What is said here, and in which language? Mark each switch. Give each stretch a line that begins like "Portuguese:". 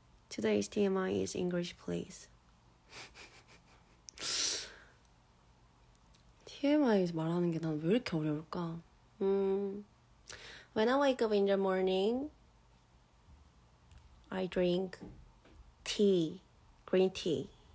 English: 'Today's TMI is English, please.'
Korean: TMI 말하는 게난왜 이렇게 어려울까?
English: When I wake up in the morning, I drink tea, green tea.